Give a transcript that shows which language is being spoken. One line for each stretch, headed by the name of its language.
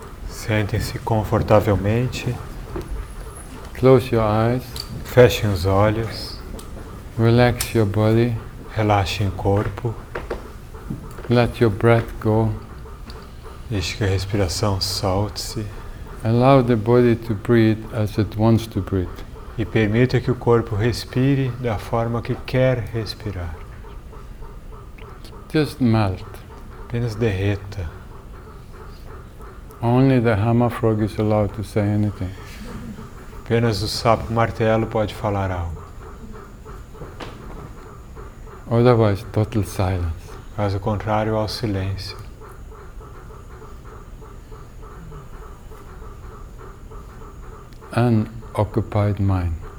Portuguese: Sentem-se confortavelmente.
English: Close your eyes.
Portuguese: Fechem os olhos.
English: Relax your body.
Portuguese: Relaxem o corpo.
English: Let your breath go.
Portuguese: Deixe que a respiração solte-se.
English: Allow the body to breathe as it wants to breathe.
Portuguese: E permita que o corpo respire da forma que quer respirar.
English: Just melt.
Portuguese: Apenas derreta.
English: Only the hammer frog is allowed to say anything.
Portuguese: Apenas o sapo martelo pode falar algo.
English: Otherwise, total silence.
Portuguese: Faz o contrário ao silêncio.
English: An occupied mind.